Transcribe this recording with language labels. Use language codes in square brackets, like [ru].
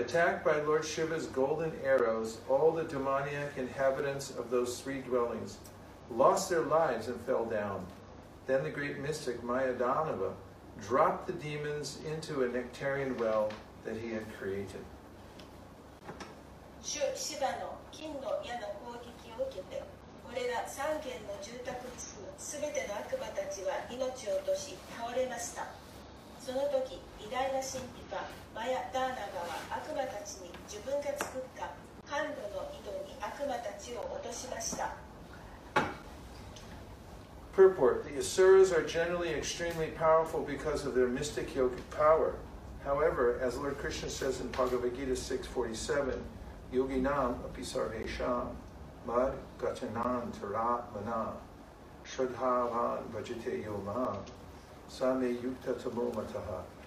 [en] Attacked by Lord Shiva's golden arrows, all the demoniac inhabitants of those three dwellings lost their lives and fell down. Then the great mystic Mayadhanava dropped the demons into a nectarian well that he had created. [ja] 主シヴァの金の矢の攻撃を受けて、これら三軒の住宅地区のすべての悪魔たちは命を落とし倒れました。その時、偉大な神秘家マヤダーナバは悪魔たちに自分が作った甘露の井戸に悪魔たちを落としました。 [en] Purport: The Asuras are generally extremely powerful because of their mystic yogic power. However, as Lord Krishna says in Bhagavad Gita 6:47. [sa] Yoginam apisarvesham mad gachanam taratmana shudhavan vajite yomam same yukta tamomataha.